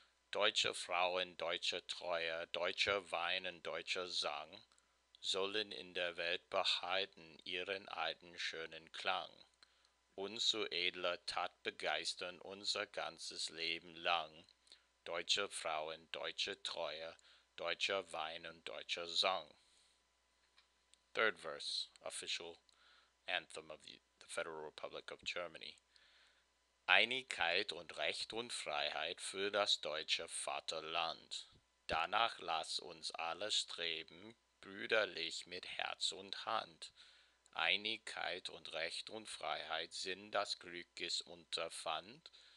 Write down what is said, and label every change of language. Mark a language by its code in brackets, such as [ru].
[de] Deutsche Frauen, deutsche Treue, deutscher Wein und deutscher Sang, sollen in der Welt behalten ihren alten schönen Klang. Uns zu edler Tat begeistern unser ganzes Leben lang. Deutsche Frauen, deutsche Treue, deutscher Wein und deutscher Song. [en] Third verse, official anthem of the Federal Republic of Germany. [de] Einigkeit und Recht und Freiheit für das deutsche Vaterland. Danach lass uns alle streben, brüderlich mit Herz und Hand. Einigkeit und Recht und Freiheit sind das Glückes Unterpfand.